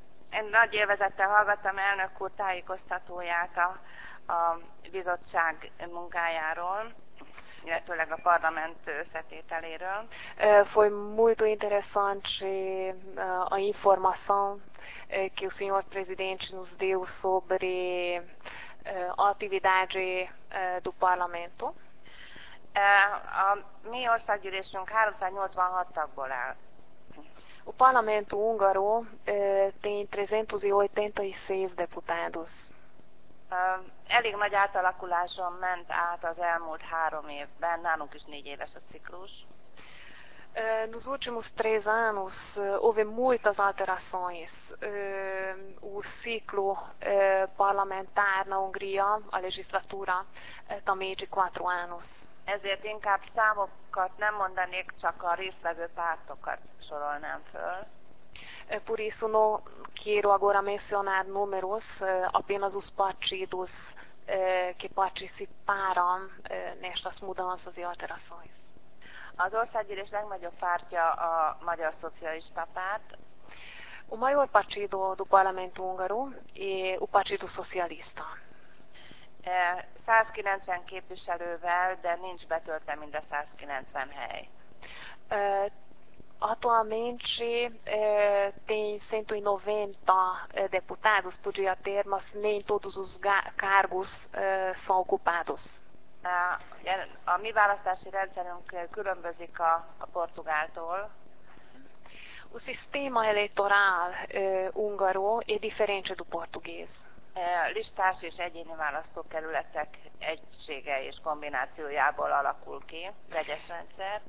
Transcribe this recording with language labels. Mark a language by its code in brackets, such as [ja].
[hu] Én nagy élvezettel hallgattam elnök úr tájékoztatóját a bizottság munkájáról, illetőleg a parlament összetételéről. [pt] Foi muito interessante a informação que o senhor presidente nos deu sobre a atividade do parlamento. [hu] A mi országgyűlésünk 386 tagból áll. [pt] O parlamento húngaro tem 386 deputados. [hu] Elég nagy átalakuláson ment át az elmúlt három évben, nálunk is négy éves a ciklus. [pt] Nos últimos três anos houve muitas alterações. O ciclo parlamentar na Hungria, a legislatura, também de quatro anos. [hu] Ezért inkább számokat nem mondanék, csak a résztvevő pártokat sorolnám föl. [pt] Por isso não quero agora mencionar números, apenas os partidos que participaram nestas mudanças e alterações. [hu] Az országgyűlés legnagyobb pártja a Magyar Szocialista Párt. [pt] O maior partido do parlamento húngaro é o Partido Socialista. [hu] 190 képviselővel, de nincs betöltve mind a 190 hely. [pt] Atualmente tem 190 deputados, podia ter, mas nem todos os cargos são ocupados. [hu] A mi választási rendszerünk különbözik a portugáltól. [pt] O sistema eleitoral húngaro é diferente do português. [hu] Listás és egyéni választókerületek egysége és kombinációjából alakul ki az egyes rendszer.